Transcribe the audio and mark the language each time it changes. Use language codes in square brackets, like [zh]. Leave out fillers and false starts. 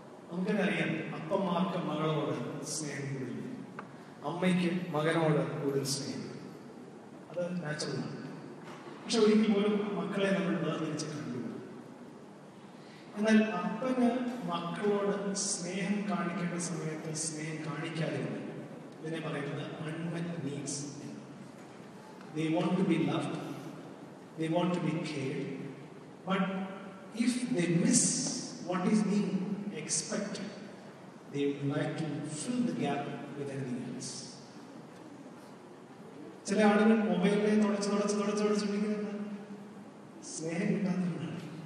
[ml] നമുക്കറിയാം അപ്പന്മാർക്ക് മകളോട് സ്നേഹം കൂടുതൽ, അമ്മയ്ക്ക് മകനോട് കൂടുതൽ സ്നേഹം, അത് നാച്ചുറൽ ആണ്. പക്ഷെ ഒരിക്കൽ പോലും മക്കളെ നമ്മൾ വേർതിരിച്ച് കണ്ടുകൊണ്ട്, എന്നാൽ അപ്പന് മക്കളോട് സ്നേഹം കാണിക്കേണ്ട സമയത്ത് സ്നേഹം കാണിക്കാതിരുന്നു. ഇതിനെ പറയുന്നത് അൺമെറ്റ് needs. [en] They want to be loved, they want to be cared, but if they miss what is being expected, they would like to fill the gap with anything else. [ml] ചില ആളുകൾ മൊബൈലിനെ തുടച്ച് തുടച്ച് തുടച്ച് തുടച്ചിട്ടിരിക്കുന്നത് സ്നേഹം കിട്ടാത്തതുകൊണ്ടാണ്.